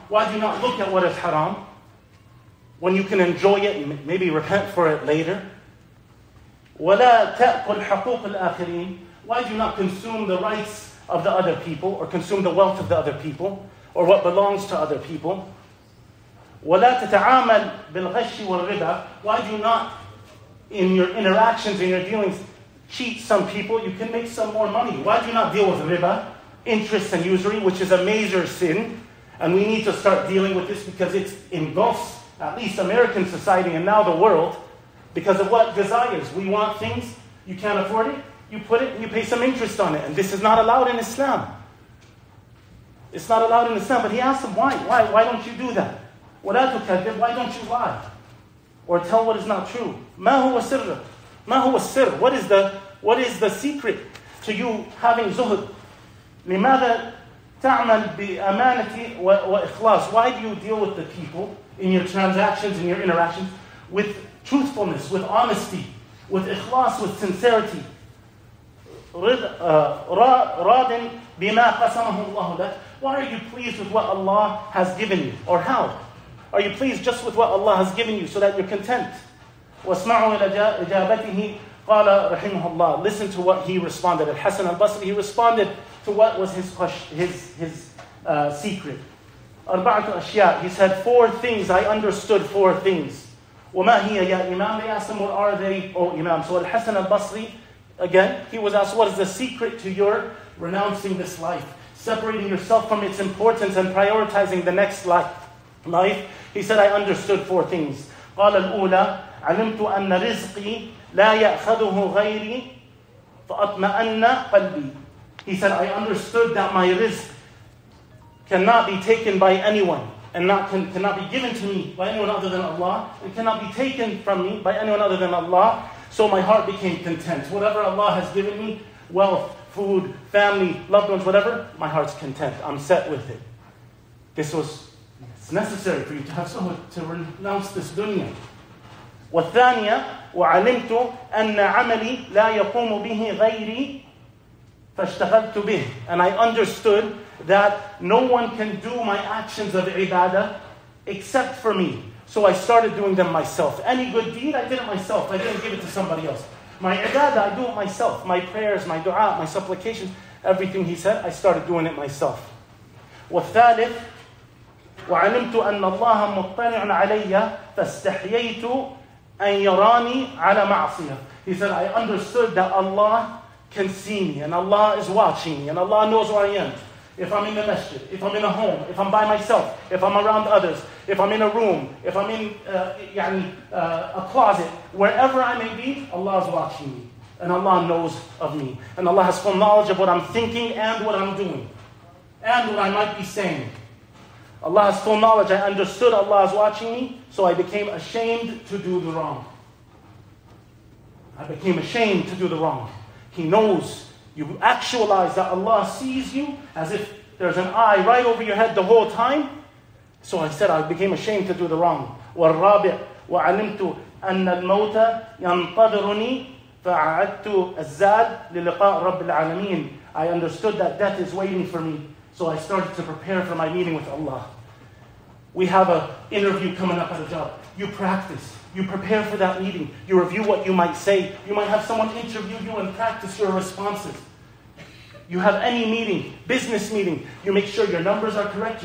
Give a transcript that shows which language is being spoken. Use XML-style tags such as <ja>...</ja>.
<en>Why do you not look at what is haram? When you can enjoy it, and maybe repent for it later.</en> <ar>ولا تأكل حقوق الآخرين?</ar> <en>Why do you not consume the rights of the other people, or consume the wealth of the other people, or what belongs to other people?</en> <ar>ولا تتعامل بالغش والغباء?</ar> <en>Why do you not, in your interactions, in your dealings, cheat some people, you can make some more money. Why do you not deal with riba, interest and usury, which is a major sin, and we need to start dealing with this because it engulfs at least American society and now the world because of what desires? We want things, you can't afford it, you put it, and you pay some interest on it, and this is not allowed in Islam. It's not allowed in Islam, but he asked him, why? Why don't you do that?</en> <ar>ولا تكذب,</ar> <en>why don't you lie? Or tell what is not true.</en> <ar>ما هو السر? ما هو السر?</ar> <en>What is the secret to you having zuhud?</en> <ar>لماذا تعمل بأمانة وإخلاص?</ar> <en>Why do you deal with the people in your transactions, in your interactions, with truthfulness, with honesty, with ikhlas, with sincerity?</en> <ar>رادٍ بما قسمه الله لك.</ar> <en>Why are you pleased with what Allah has given you? Or how? Are you pleased just with what Allah has given you so that you're content?</en> <ar>وَاسْمَعُوا إِلَى إِجَابَتِهِ قَالَ رَحِمُهُ اللَّهِ.</ar> <en>Listen to what he responded. Al-Hassan al-Basri, he responded to what was his question, his secret.</en> <ar>أَرْبَعَةُ أَشْيَاءُ.</ar> <en>He said, four things, I understood four things.</en> <ar>وَمَا هِيَ يَا إِمَامُ.</ar> <en>They asked him, what are they, O Imam? So Al-Hassan al-Basri, again, he was asked, what is the secret to your renouncing this life, separating yourself from its importance and prioritizing the next life? Life, he said, I understood four things.</en> <ar>قال الأولى علمت أن رزقي لا يأخذه غيري فأطمأن قلبي.</ar> <en>He said, I understood that my rizq cannot be taken by anyone and cannot be given to me by anyone other than Allah. It cannot be taken from me by anyone other than Allah. So my heart became content. Whatever Allah has given me, wealth, food, family, loved ones, whatever, my heart's content. I'm set with it. This was. It's necessary for you to have someone to renounce this dunya.</en> <ar>وَالثَّانِيَةَ وعلمت أن عملي لا يقوم به غيري فاشتغلت به.</ar> <en>And I understood that no one can do my actions of ibadah except for me. So I started doing them myself. Any good deed, I did it myself. I didn't give it to somebody else. My ibadah, I do it myself. My prayers, my dua, my supplications, everything he said, I started doing it myself.</en> <ar>والثالث وعلمت أن الله مطلع علي فاستحييت أن يراني على معصية.</ar> <en>He said, I understood that Allah can see me and Allah is watching me and Allah knows where I am. If I'm in the masjid, if I'm in a home, if I'm by myself, if I'm around others, if I'm in a room, if I'm in a closet, wherever I may be, Allah is watching me and Allah knows of me. And Allah has full knowledge of what I'm thinking and what I'm doing and what I might be saying. Allah has full knowledge. I understood Allah is watching me, so I became ashamed to do the wrong. I became ashamed to do the wrong. He knows. You actualize that Allah sees you as if there's an eye right over your head the whole time. So I said, I became ashamed to do the wrong.</en> <ar>والرابع وعلمت أن الموت ينتظرني فأعدت الزاد للقاء رب العالمين.</ar> <en>I understood that death is waiting for me. So I started to prepare for my meeting with Allah. We have an interview coming up at a job. You practice. You prepare for that meeting. You review what you might say. You might have someone interview you and practice your responses. You have any meeting, business meeting. You make sure your numbers are correct.</en>